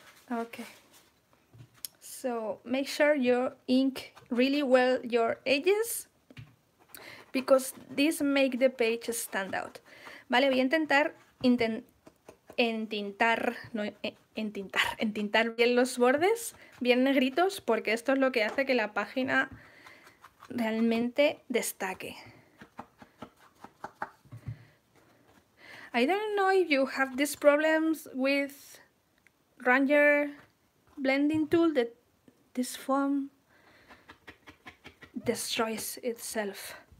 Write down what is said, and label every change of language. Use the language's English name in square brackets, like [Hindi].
[English] Okay. So make sure you ink really well your edges because this make the page stand out. [Spanish] Vale, voy a intentar entintar bien los bordes, bien negritos, porque esto es lo que hace que la página realmente destaque. [English] I don't know if you have these problems with Ranger blending tool, that this foam destroys itself.